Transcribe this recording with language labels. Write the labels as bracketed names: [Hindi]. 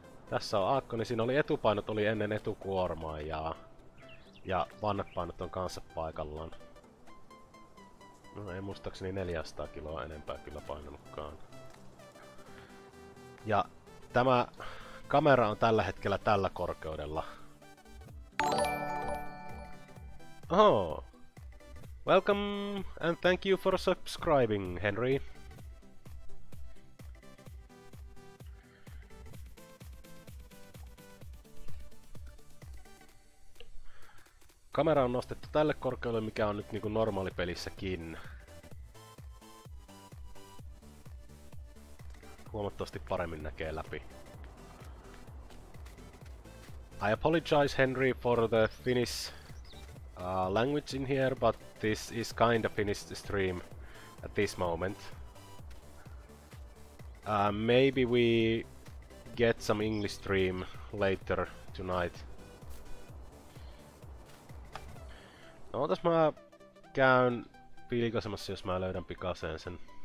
[Finnish] Tässä on aakko, niin siinä oli etupainot oli ennen etukuormaa ja vannepainot on kanssa paikallaan. No ei muistaakseni 400 kiloa enempää kyllä painanutkaan. Ja tämä kamera on tällä hetkellä tällä korkeudella. Oh. [English] Welcome and thank you for subscribing, Henry. [Finnish] Kamera on nostettu tälle korkeudelle, mikä on nyt niinku normaali pelissäkin. Huomattavasti paremmin näkee läpi. [English] I apologize, Henry, for the Finnish language in here, but this is kinda Finnish stream at this moment. Maybe we get some English stream later tonight. [Finnish] No, otas mä käyn vilkaisemassa, jos mä löydän pikaseen sen.